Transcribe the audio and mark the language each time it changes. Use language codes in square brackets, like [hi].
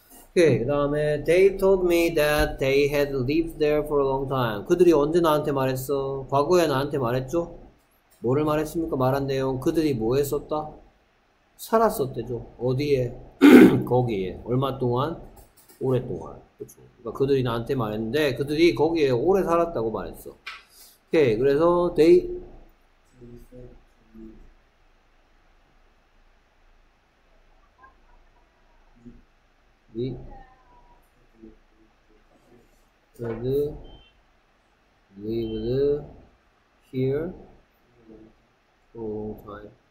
[en] 오케이. [ko] 그 다음에 [en] They told me that they had lived there for a long time. [ko] 그들이 언제 나한테 말했어? 과거에 나한테 말했죠? 뭐를 말했습니까? 말한 내용. 그들이 뭐 했었다? 살았었대죠. 어디에? 거기에. 얼마 동안? 오랫동안. 그쵸. 그러니까 그들이 나한테 말했는데 그들이 거기에 오래 살았다고 말했어. 오케이. [en] 그래서 they lived here for a long time.